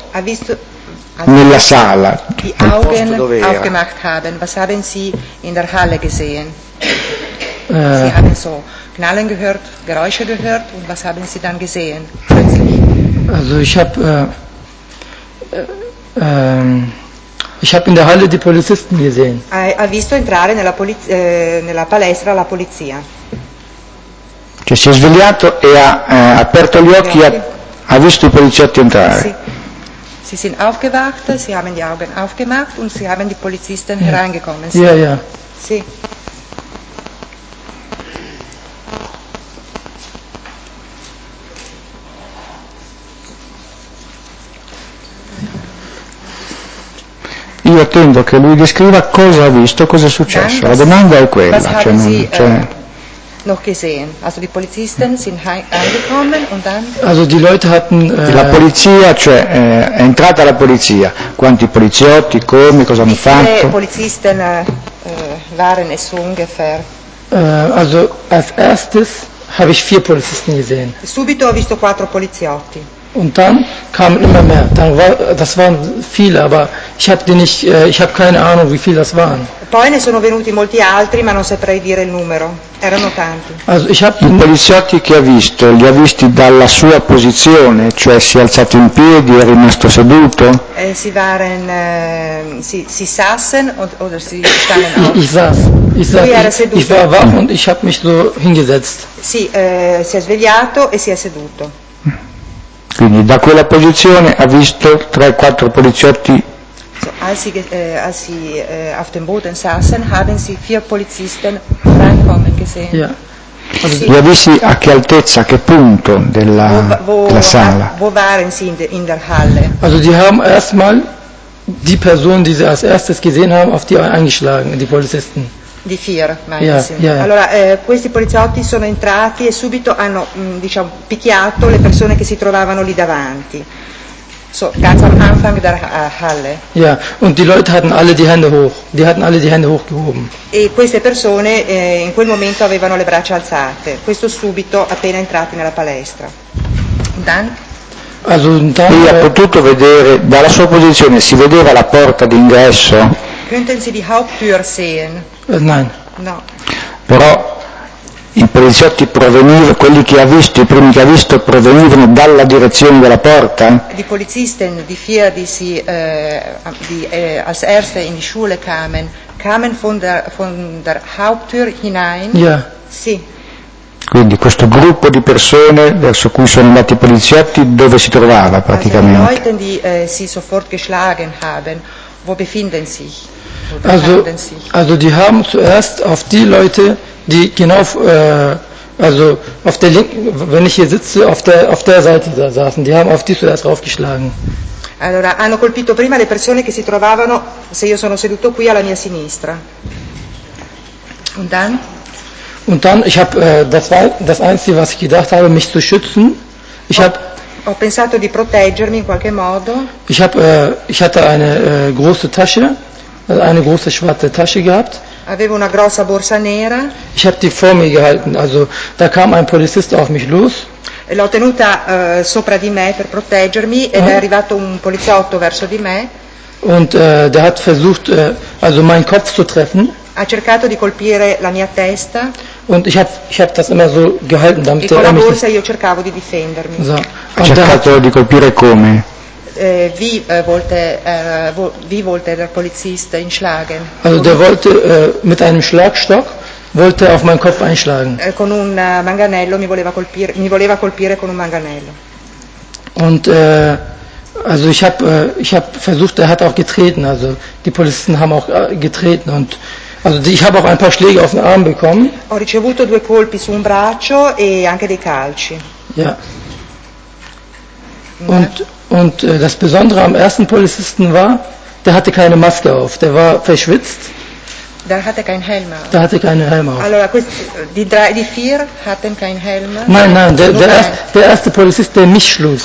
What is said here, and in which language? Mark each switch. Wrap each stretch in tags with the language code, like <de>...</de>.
<it>Ha visto nella sala.</it> <de>Die Augen aufgemacht haben. Was haben Sie in der Halle gesehen? Sie haben so Knallen gehört, Geräusche gehört und was haben Sie dann gesehen? Also ich habe in der Halle die Polizisten gesehen.</de> <it>Ha visto entrare nella palestra la polizia. Cioè si è svegliato e ha aperto gli occhi, ha visto i poliziotti entrare. Sì.</it> <de>Sie sind aufgewacht, sie haben die Augen aufgemacht und sie haben die Polizisten hereingekommen. Ja, ja.</de> <it>Sì. Io attendo che lui descriva cosa ha visto, cosa è successo. La domanda è quella. Cioè non, cioè</it> <de>noch gesehen. Also die Polizisten sind angekommen und dann. Also die Leute hatten.</de> <it>La polizia, cioè è entrata la polizia. Quanti poliziotti, come, cosa hanno fatto?</it> <de>Viele Polizisten waren es ungefähr. Also als erstes habe ich 4 Polizisten gesehen.</de> <it>Subito ho visto 4 poliziotti.</it> <de>Und dann kamen immer mehr. Das waren viele, aber ich habe keine Ahnung, wie viele das waren.</de> <it>Poi ne sono venuti molti altri, ma non saprei dire il numero. Erano tanti.</it> <de>Also ich habe</de> <it>i poliziotti che ha visto, li ha visti dalla sua posizione, cioè si è alzato in piedi, è rimasto seduto.</it> <de>Sie waren, sie saßen oder sie standen auf. Ich war wach und ich habe mich so hingesetzt.</de> <it>Sì, si è svegliato e si è seduto. Quindi da quella posizione ha visto 3-4 poliziotti.</it> <de>So, als sie auf dem Boden saßen, haben sie 4 Polizisten reinkommen gesehen. Ja.</de> <it>Sì. Li avessi a che altezza, a che punto della, della sala?</it> <de>Wo waren sie in der Halle? Also die haben erstmal die Person, die sie als erstes gesehen haben, auf die eingeschlagen, die Polizisten. Di Fir, yeah.</de> <it>Allora, questi poliziotti sono entrati e subito hanno, diciamo, picchiato le persone che si trovavano lì davanti.</it> <de>So, ganz am Anfang der Halle. Ja, und die Leute hatten alle die Hände hoch. Die hatten alle die Hände hochgehoben.</de> <it>E queste persone in quel momento avevano le braccia alzate. Questo subito appena entrati nella palestra.</it> <de>Dann? Also, dann</de> <it>lui ha potuto vedere, dalla sua posizione, si vedeva la porta d'ingresso?</it> <de>Könnten Sie die Haupttür sehen? Nein.</de> <it>No. Però i poliziotti provenivano, quelli che ha visto, i primi che ha visto provenivano dalla direzione della porta?</it> <de>Die Polizisten, die vier, die sie als erste in die Schule kamen, kamen von der Haupttür hinein? Ja.</de> <it>Sì. Quindi questo gruppo di persone verso cui sono andati i poliziotti, dove si trovava praticamente?</it> <de>Also die Leute, die sie sofort geschlagen haben, wo befinden sich? Also die haben zuerst auf die Leute, die genau, also auf der linken, wenn ich hier sitze, auf der Seite da saßen, die haben auf die zuerst aufgeschlagen.</de> <it>Allora, hanno colpito prima le persone che si trovavano, se io sono seduto qui, alla mia sinistra.</it> <de>Und dann? Und dann, ich habe, das Einzige, was ich gedacht habe, mich zu schützen,</de> <it>ho pensato di proteggermi in qualche modo.</it> <de>Ich hatte eine große schwarze Tasche gehabt.</de> <it>Avevo una grossa borsa nera.</it> <de>Ich habe die vor mir gehalten, also da kam ein Polizist auf mich los.</de> <it>L'ho tenuta sopra di me per proteggermi ed è arrivato un poliziotto verso di me.</it> <de>Und der hat versucht, also meinen Kopf zu treffen.</de> <it>Ha cercato di colpire la mia testa.</it> <de>Und ich hab das immer so gehalten, damit</de> <it>e con la borsa io cercavo di difendermi.</it> <de>So.</de> <it>Ha cercato di colpire come?</it> <de>Wie wollte der Polizist einschlagen? Also der wollte mit einem Schlagstock wollte auf meinen Kopf einschlagen.</de> <it>Con un manganello mi voleva colpire con un manganello.</it> <de>Und also ich hab versucht, er hat auch getreten, also die Polizisten haben auch getreten und also ich habe auch ein paar Schläge auf den Arm bekommen.</de> <it>Ho ricevuto due colpi su un braccio e anche dei calci.</it> <de>Ja. Und das Besondere am ersten Polizisten war, der hatte keine Maske auf, der war verschwitzt. Der hatte keinen Helm auf. Der hatte keinen Helm auf. Allora, die vier hatten keinen Helm. Nein, der erste Polizist, der mich schlug.</de>